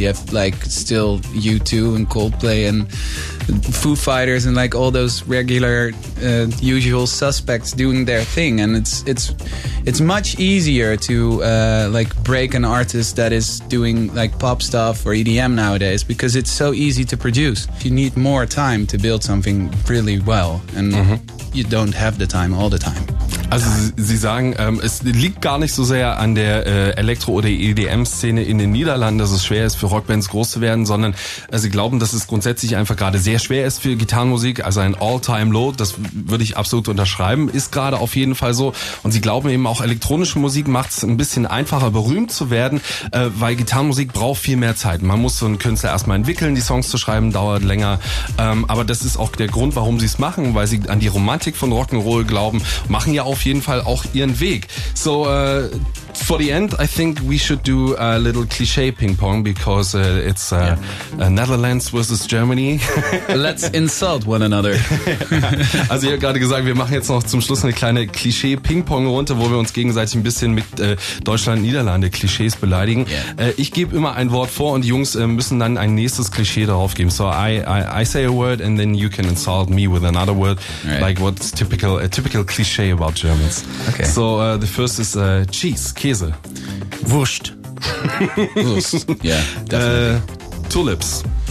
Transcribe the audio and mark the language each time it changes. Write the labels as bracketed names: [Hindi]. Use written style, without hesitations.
[English] You have like still U2 and Coldplay and Foo Fighters and like all those regular usual suspects doing their thing. And it's much easier to like break an artist that is doing like pop stuff or EDM nowadays because it's so easy to produce. You need more time to build something really well and mm-hmm. you don't have the time all the time. [German] Also Sie sagen, es liegt gar nicht so sehr an der Elektro- oder EDM-Szene in den Niederlanden, dass es schwer ist, für Rockbands groß zu werden, sondern Sie glauben, dass es grundsätzlich einfach gerade sehr schwer ist für Gitarrenmusik, also ein All-Time-Low, das würde ich absolut unterschreiben, ist gerade auf jeden Fall so. Und Sie glauben eben auch, elektronische Musik macht es ein bisschen einfacher, berühmt zu werden, weil Gitarrenmusik braucht viel mehr Zeit. Man muss so einen Künstler erstmal entwickeln, die Songs zu schreiben, dauert länger. Aber das ist auch der Grund, warum Sie es machen, weil Sie an die Romantik von Rock'n'Roll glauben, machen ja auf jeden Fall auch ihren Weg. [English] So, for the end, I think we should do a little cliche ping-pong because it's Netherlands versus Germany. Let's insult one another. [German] Also ihr habt gerade gesagt, wir machen jetzt noch zum Schluss eine kleine Klischee-Ping-Pong-Runde, wo wir uns gegenseitig ein bisschen mit Deutschland-Niederlande-Klischees beleidigen. [English] Yeah. [German] Ich gebe immer ein Wort vor und die Jungs müssen dann ein nächstes Klischee darauf geben. [English] So I say a word and then you can insult me with another word. Right. Like what's a typical cliche about Germans. Okay. So the first is cheese, Käse. [German] Wurst. [English] Wurst, yeah, definitely. Tulips.